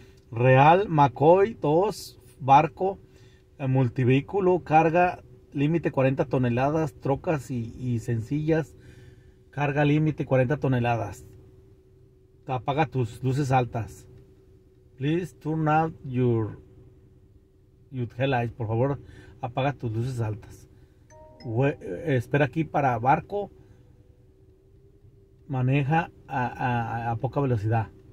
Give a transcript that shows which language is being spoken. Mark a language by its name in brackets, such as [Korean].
[Spanish] Real McCoy 2 barco multivículo carga límite 40 toneladas, trocas y sencillas carga límite 40 toneladas. Apaga tus luces altas. [English] Please turn out your headlights. [Spanish] Por favor, apaga tus luces altas. Espera aquí para barco. Maneja a poca velocidad.